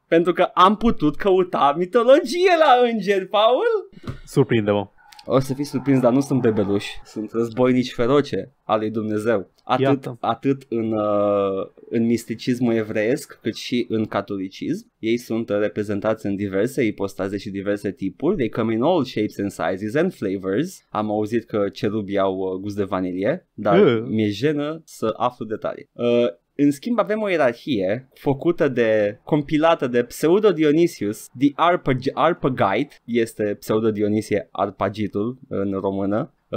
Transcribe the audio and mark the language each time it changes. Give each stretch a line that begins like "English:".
Romanian: Pentru că am putut căuta mitologie la îngeri, Paul! Surprinde-mă! O să fii surprins, dar nu sunt bebeluși, sunt războinici feroce al lui Dumnezeu. Atât în misticismul evreiesc, cât și în catolicism. Ei sunt reprezentați în diverse ipostaze și diverse tipuri.
English: They come in all shapes and sizes and flavors.
Romanian: Am auzit că cerubii au gust de vanilie, dar mi-e jenă să aflu detalii. În schimb, avem o ierarhie compilată de Pseudo Dionysius, the Arpagite, este Pseudo Dionisie Arpagitul în română,